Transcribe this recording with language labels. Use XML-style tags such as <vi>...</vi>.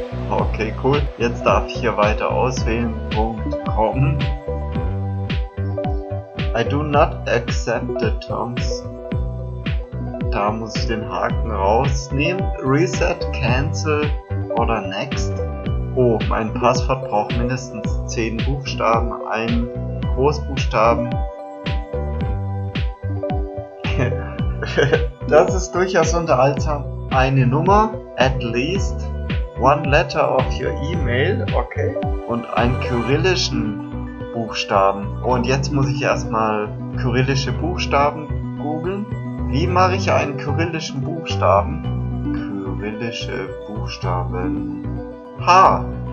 <de>Okay, cool. Jetzt darf ich hier weiter auswählen. Punkt.com.</de> <en>I do not accept the terms.</en> <de>Da muss ich den Haken rausnehmen. Reset, cancel oder next. Oh, mein Passwort braucht mindestens 10 Buchstaben, einen Großbuchstaben. Das ist durchaus unterhaltsam. Eine Nummer,</de> <en>at least. One letter of your email, okay.</en> <de>Und einen kyrillischen Buchstaben. Und jetzt muss ich erstmal kyrillische Buchstaben googeln. Wie mache ich einen kyrillischen Buchstaben? Kyrillische Buchstaben. H!</de>